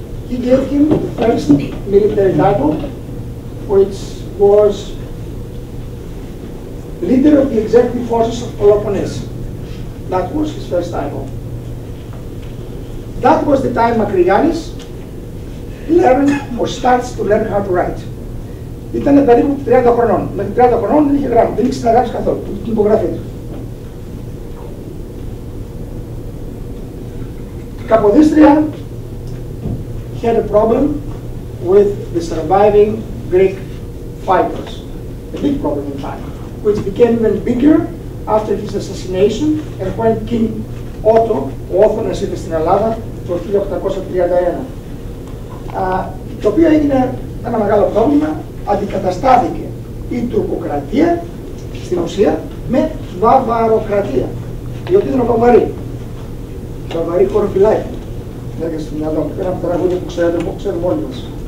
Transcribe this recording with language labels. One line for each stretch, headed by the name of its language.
English: He gave him the first military title, which was leader of the executive forces of Peloponnese. That was his first title. That was the time Makrigalis learned or starts to learn how to write.
Greek: Ήταν περίπου 30 χρονών. Με 30 χρονών δεν είχε γράψει, δεν είχε συναγράψει καθόλου την υπογραφή του.
English: Καποδίστρια had a problem with the surviving Greek fighters. A big problem in fact, which became even bigger after his assassination and when King Otto,
Greek: ο Όθωνας ήρθε στην Ελλάδα το 1831. Το οποίο έγινε ένα μεγάλο πρόβλημα, αντικαταστάθηκε η τουρκοκρατία στην ουσία με βαβαροκρατία. Διότι ήταν ο Βαβαροί. Βαβαροί χωροφυλάκι. Λέγε στο μυαλό μου, ένα από τα τραγούδια που ξέρουμε όλοι μας.